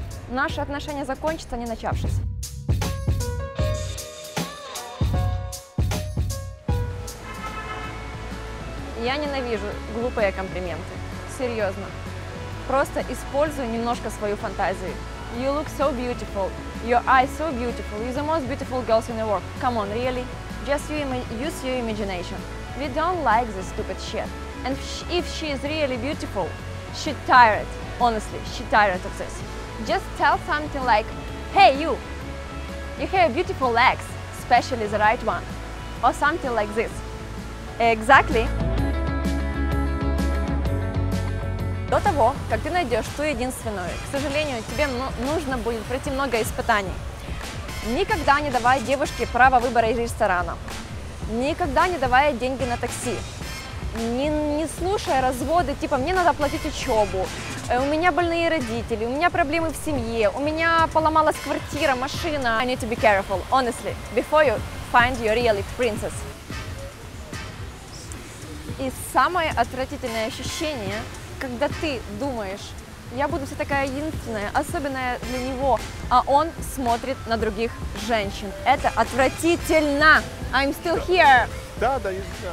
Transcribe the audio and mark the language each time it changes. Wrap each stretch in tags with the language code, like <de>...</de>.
<ru>Наши отношения закончатся, не начавшись. Я ненавижу глупые комплименты. Серьезно. Просто использую немножко свою фантазию.</ru> <en>You look so beautiful. Your eyes so beautiful. You're the most beautiful girls in the world. Come on, really? Just use your imagination. We don't like this stupid shit. And if she is really beautiful, she tired. Honestly, she tired of this. Just tell something like, hey, you. You have beautiful legs, especially the right one. Or something like this. Exactly.</en> <ru>До того, как ты найдешь ту единственную, к сожалению, тебе нужно будет пройти много испытаний. Никогда не давай девушке право выбора из ресторана. Никогда не давай деньги на такси. Не слушай разводы, типа, мне надо оплатить учебу, у меня больные родители, у меня проблемы в семье, у меня поломалась квартира, машина.</ru> <en>I need to be careful, honestly, before you find your real princess.</en> <ru>И самое отвратительное ощущение, когда ты думаешь, я буду вся такая единственная, особенная для него, а он смотрит на других женщин. Это отвратительно!</ru> <en>I'm still here!</en> <ru>Да, я знаю.</ru>